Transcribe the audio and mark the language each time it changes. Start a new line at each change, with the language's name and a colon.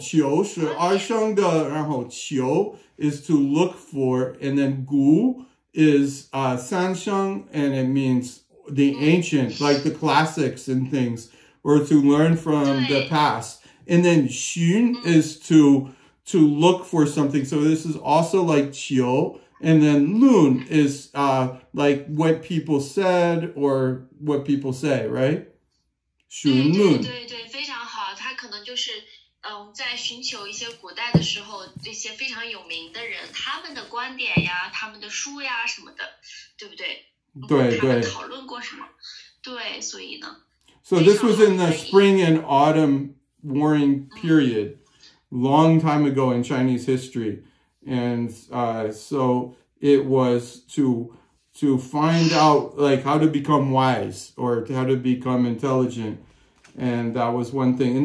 Chinese: 求是而生的，然后求
English: is to look for, and then 古 is 三声 and it means the ancient, like the classics and things, or to learn from the past. And then 寻 is to look for something. So this is also like 求.And then 论 is like what people said or what people say, right?
Chinese: 寻论。对，非常好。他可能就是在寻求一些古代的时候，这些非常有名的人，他们的观点呀，他们的书呀什么的，对不对？对对。他们讨论过什么？对，所以呢。
English: So this was in the spring and autumn. Warring period, long time ago in Chinese history, and so it was to find out like how to become wise or how to become intelligent, and that was one thing.